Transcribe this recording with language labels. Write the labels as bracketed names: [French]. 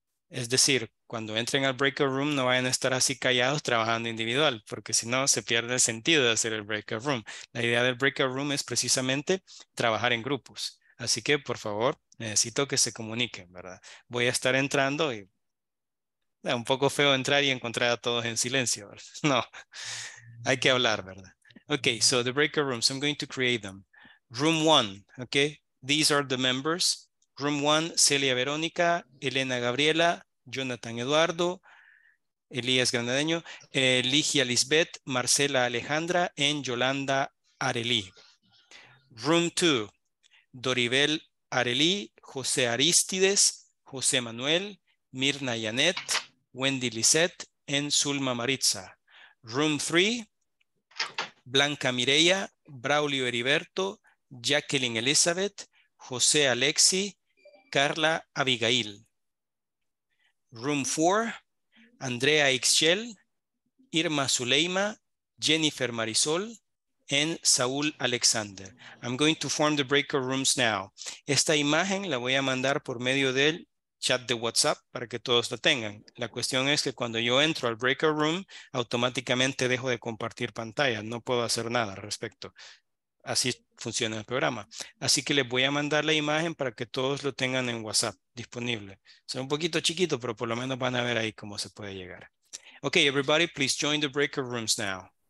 [Spanish] Es decir, cuando entren al breakout room, no vayan a estar así callados trabajando individual, porque si no, se pierde el sentido de hacer el breakout room. La idea del breakout room es precisamente trabajar en grupos. Así que, por favor, necesito que se comuniquen, ¿verdad? Voy a estar entrando y es un poco feo entrar y encontrar a todos en silencio, ¿verdad? No, hay que hablar, ¿verdad? [English] Okay, so the breakout rooms, I'm going to create them. Room one, okay? These are the members. Room one, Celia Verónica, Elena Gabriela, Jonathan Eduardo, Elías Granadeño, Ligia Lisbeth, Marcela Alejandra y Yolanda Arelí. Room 2, Doribel Arelí, José Aristides, José Manuel, Mirna Yanet, Wendy Lisset y Zulma Maritza. Room 3, Blanca Mireya, Braulio Heriberto, Jacqueline Elizabeth, José Alexi, Carla Abigail. Room 4, Andrea Ixchel, Irma Zuleima, Jennifer Marisol, and Saul Alexander. I'm going to form the breakout rooms now. [Spanish] Esta imagen la voy a mandar por medio del chat de WhatsApp para que todos la tengan. La cuestión es que cuando yo entro al breakout room, automáticamente dejo de compartir pantalla. No puedo hacer nada al respecto. Así funciona el programa. Así que les voy a mandar la imagen para que todos lo tengan en WhatsApp disponible. Es un poquito chiquito, pero por lo menos van a ver ahí cómo se puede llegar. [English] Okay, everybody, please join the breakout rooms now.